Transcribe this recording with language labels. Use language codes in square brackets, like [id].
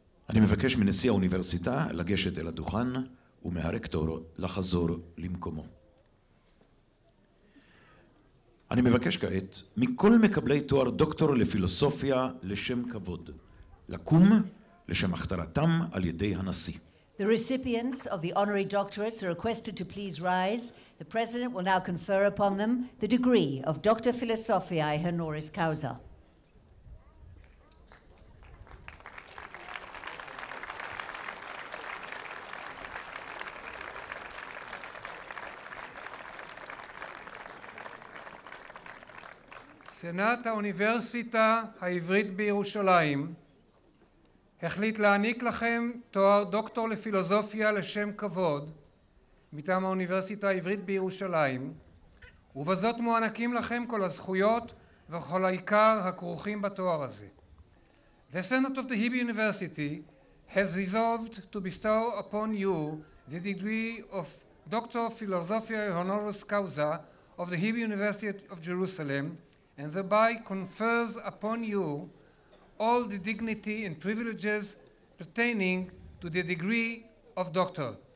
[he] אני מבקש מנשיא האוניברסיטה לגשת אל הדוכן ומהרקטור לחזור למקומו. אני מבקש כעת מכל מקבלי תואר דוקטור לפילוסופיה לשם כבוד לקום לשם הכתרתם על ידי הנשיא. [en] The recipients of the honorary doctorates are requested to please rise. The president will now confer upon them the degree of Doctor Philosophiae Honoris Causa. [he] סנאט האוניברסיטה העברית בירושלים החליט להעניק לכם תואר דוקטור לפילוסופיה לשם כבוד מטעם האוניברסיטה העברית בירושלים, ובזאת מוענקים לכם כל הזכויות וכל העיקר הכרוכים בתואר הזה. [en] The Senate of the Hebrew University has resolved to bestow upon you the degree of Doctor Philosophiae Honoris Causa of the Hebrew University of Jerusalem, and thereby confers upon you all the dignity and privileges pertaining to the degree of doctor.